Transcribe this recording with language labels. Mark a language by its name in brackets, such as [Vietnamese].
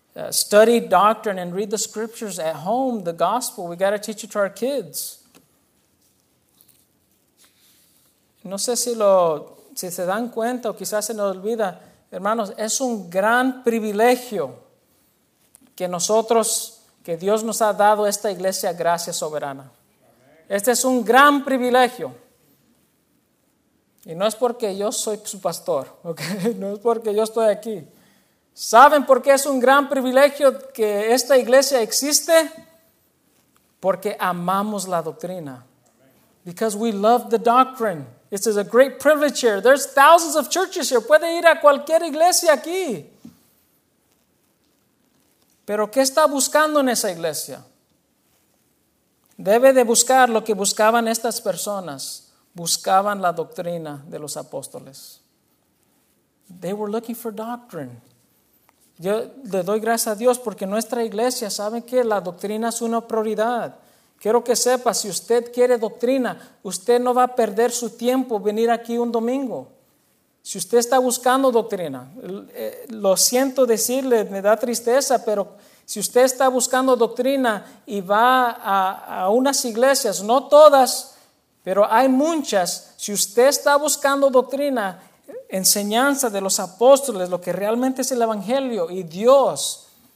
[English] Study doctrine and read the scriptures at home, the gospel. We got to teach it to our kids. [Spanish] No sé si se dan cuenta o quizás se nos olvida. Hermanos, es un gran privilegio que nosotros, que Dios nos ha dado esta iglesia gracia soberana. Este es un gran privilegio. Y no es porque yo soy su pastor, ¿okay? No es porque yo estoy aquí. ¿Saben por qué es un gran privilegio que esta iglesia existe? Porque amamos la doctrina. [English] Because we love the doctrine. This is a great privilege here. There's thousands of churches here. [Spanish] Puede ir a cualquier iglesia aquí. ¿Pero qué está buscando en esa iglesia? Debe de buscar lo que buscaban estas personas. Buscaban la doctrina de los apóstoles. [English] They were looking for doctrine. [Spanish] Yo le doy gracias a Dios porque nuestra iglesia, ¿saben qué? La doctrina es una prioridad. Quiero que sepa, si usted quiere doctrina, usted no va a perder su tiempo venir aquí un domingo. Si usted está buscando doctrina, lo siento decirle, me da tristeza, pero si usted está buscando doctrina y va a unas iglesias, no todas, pero hay muchas, si usted está buscando doctrina, enseñanza de los apóstoles, lo que realmente es el evangelio y Dios,